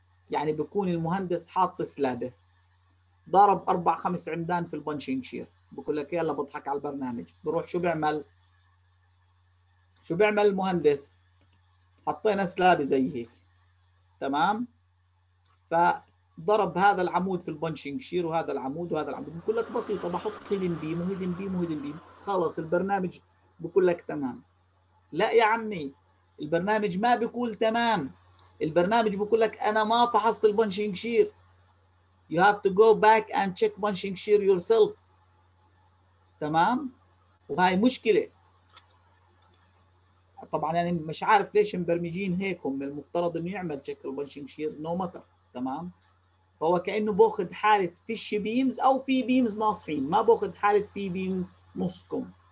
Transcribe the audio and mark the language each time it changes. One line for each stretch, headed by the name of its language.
Arabic: يعني بيكون المهندس حاط سلابة ضرب 4-5 عمدان في البنشينج شير، بقول لك يلا بضحك على البرنامج، بروح شو بيعمل؟ شو بيعمل المهندس؟ حطينا سلابة زي هيك تمام؟ فضرب هذا العمود في البنشينج شير وهذا العمود وهذا العمود، بقول لك بسيطة بحط هيدن بيم وهيدن بيم وهيدن بيم، خلص البرنامج بقول لك تمام. لا يا عمي، البرنامج ما بيقول تمام، البرنامج بقول لك أنا ما فحصت البنشينج شير.
English: You have to go back and check bunching shear yourself.
Arabic: تمام؟ وهي مشكلة. طبعاً يعني مش عارف ليش مبرمجين هيك، هم المفترض إنه يعمل
English: check bunching shear no matter.
Arabic: تمام؟ فهو كأنه بأخذ حالة فيش بيمز أو في بيمز ناصحين، ما بأخذ حالة في بيم نصكم.